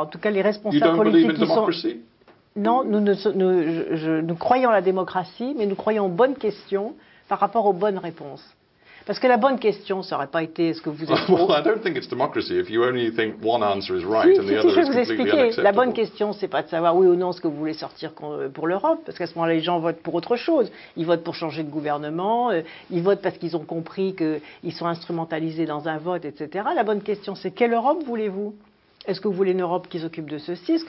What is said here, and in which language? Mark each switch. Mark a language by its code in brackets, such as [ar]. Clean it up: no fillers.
[fr] En tout cas, les responsables politiques qui sont... Non, nous croyons à la démocratie, mais nous croyons aux bonnes questions par rapport aux bonnes réponses. Parce que la bonne question, ça n'aurait pas été est-ce que vous êtes pour. [en] Well, I don't think it's democracy if you only think one answer is right and the other is completely unacceptable. [fr] La bonne question, c'est pas de savoir oui ou non ce que vous voulez sortir pour l'Europe, parce qu'à ce moment-là, les gens votent pour autre chose. Ils votent pour changer de gouvernement, ils votent parce qu'ils ont compris qu'ils sont instrumentalisés dans un vote, etc. La bonne question, c'est quelle Europe voulez-vous ? Est-ce que vous voulez une Europe qui s'occupe de ceci ?